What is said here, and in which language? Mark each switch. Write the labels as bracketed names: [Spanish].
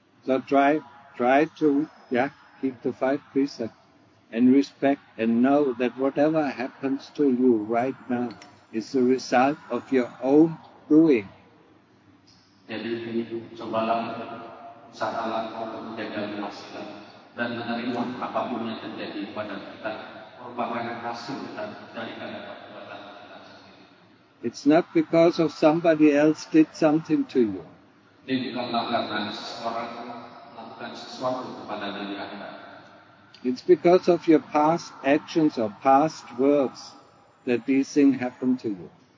[English] So try to, yeah, keep the five precepts and respect and know that whatever happens to you right now is the result of your own doing. [Indonesian] Jadi cobalah usahalah untuk menjaga lima sila dan menerima apapun yang terjadi pada kita merupakan hasil dan dari karena perbuatan kita sendiri. [English] It's not because of somebody else did something to you. [Indonesian] Ini bukanlah karena seseorang melakukan sesuatu kepada diri Anda. [English] It's because of your past actions or past works that these things happen to you.